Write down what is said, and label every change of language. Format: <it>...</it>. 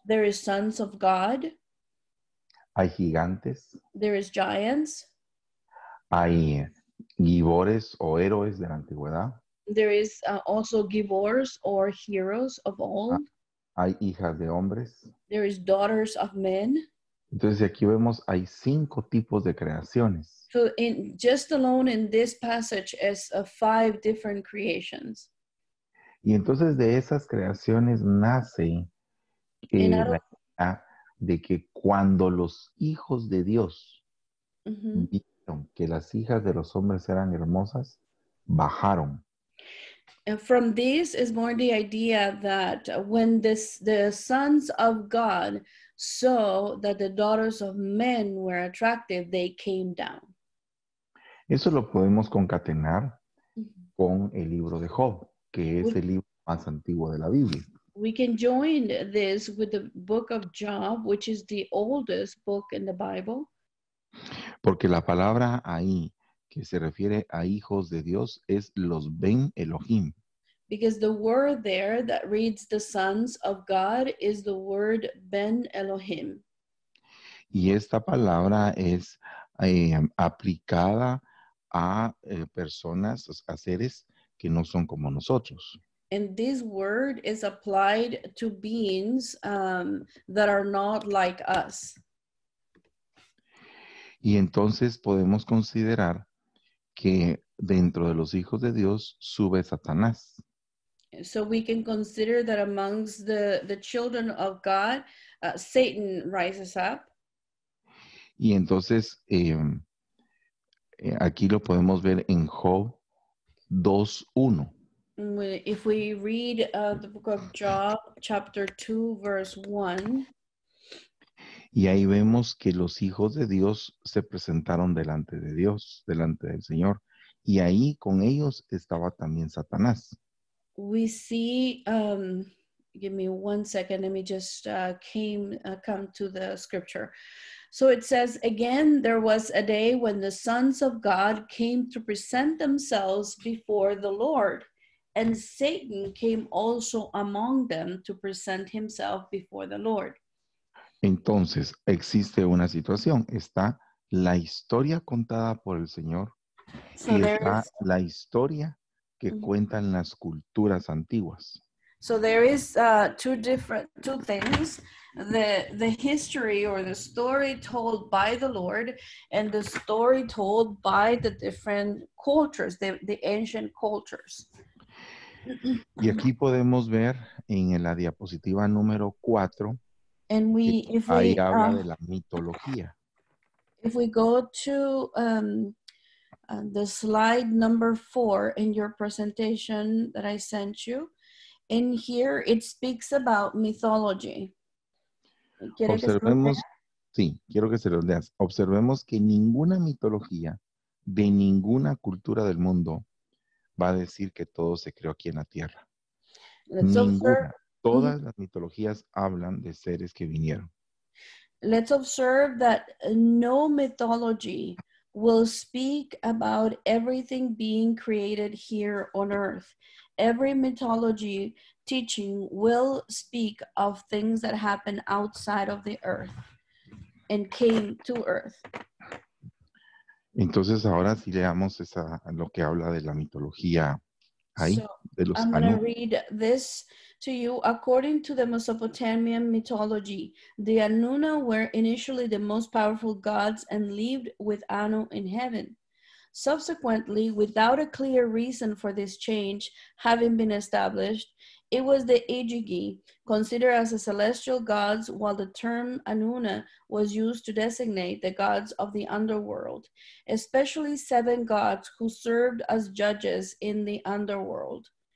<en>There is sons of God.</en> <es>Hay gigantes.</es> <en>There is giants.</en> <es>Hay gibores o héroes de la antigüedad.</es> <en>There is also gibors or heroes of old.</en> <es>Hay hijas de hombres.</es> <en>There is daughters of men.</en> <es>Entonces aquí vemos hay cinco tipos de creaciones.</es> <en>So in just alone in this passage is five different creations.</en> <es>Y entonces de esas creaciones nace la idea de que cuando los hijos de Dios vieron que las hijas de los hombres eran hermosas, bajaron.</es> <en>And from this is more the idea that when the sons of God saw that the daughters of men were attractive, they came down.</en> <es>Eso lo podemos concatenar con el libro de Job, que es el libro más antiguo de la Biblia.</es> <en>We can join this with the book of Job, which is the oldest book in the Bible.</en> <es>Porque la palabra ahí que se refiere a hijos de Dios es los Ben Elohim.</es> <en>Because the word there that reads the sons of God is the word Ben Elohim.</en> <es>Y esta palabra es aplicada a personas, a seres que no son como nosotros.</es> <en>And this word is applied to beings that are not like us.</en> <es>Y entonces podemos considerar que dentro de los hijos de Dios sube Satanás.</es> <en>So we can consider that amongst the children of God, Satan rises up.</en> <es>Y entonces aquí lo podemos ver en Job 2:1.</es> <en>If we read the book of Job, chapter 2, verse 1.</en> <es>Y ahí vemos que los hijos de Dios se presentaron delante de Dios, delante del Señor. Y ahí con ellos estaba también Satanás.</es> <en>We see, give me one second, let me just come to the scripture. So it says, again, there was a day when the sons of God came to present themselves before the Lord. And Satan came also among them to present himself before the Lord.</en> <es>Entonces, existe una situación. Está la historia contada por el Señor. So y está la historia que cuentan las culturas antiguas.</es> <en>So there is two things. The history or the story told by the Lord and the story told by the different cultures, the ancient cultures.</en> <es>Y aquí podemos ver en la diapositiva número 4, ahí habla de la mitología.</es> <en>If we go to the slide number 4 in your presentation that I sent you, in here it speaks about mythology.</en> <es>Observemos, sí, quiero que se los leas. Observemos que ninguna mitología de ninguna cultura del mundo va a decir que todo se creó aquí en la tierra. Todas las mitologías hablan de seres que vinieron.</es> <en>Let's observe that no mythology will speak about everything being created here on earth. Every mythology teaching will speak of things that happened outside of the earth and came to earth.</en> <es>Entonces, ahora sí leamos esa, lo que habla de la mitología ahí, de los</es> <en>años. I'm going to read this to you. According to the Mesopotamian mythology, the Anunna were initially the most powerful gods and lived with Anu in heaven. Subsequently, without a clear reason for this change having been established, it was the Ijigi, considered as a celestial gods, while the term Anunna was used to designate the gods of the underworld, especially seven gods who served as judges in the underworld.</en>